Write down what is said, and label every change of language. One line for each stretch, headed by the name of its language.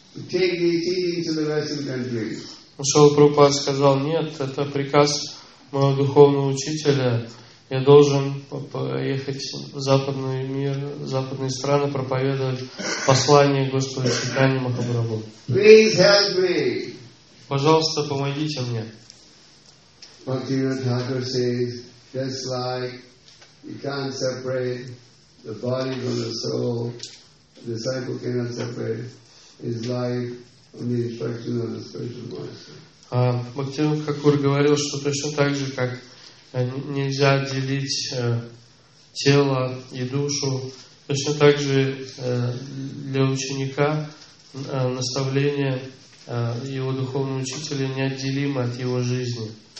Russian: Шрила Прабхупада сказал, нет, это приказ моего духовного учителя. Я должен поехать в западный мир, в западные страны, проповедовать послание Господа Чайтаньи Махапрабху.
English: Please help me.
Russian: Пожалуйста, помогите мне.
English: Бхактивинода Тхакур says, just like you can't separate the body from the soul, the disciple cannot separate his life from the instruction of the spiritual master.
Russian: Бхактивинода Тхакур говорил, что точно так же, как нельзя отделить тело и душу, точно так же для ученика наставление его духовного учителя неотделимо от его жизни.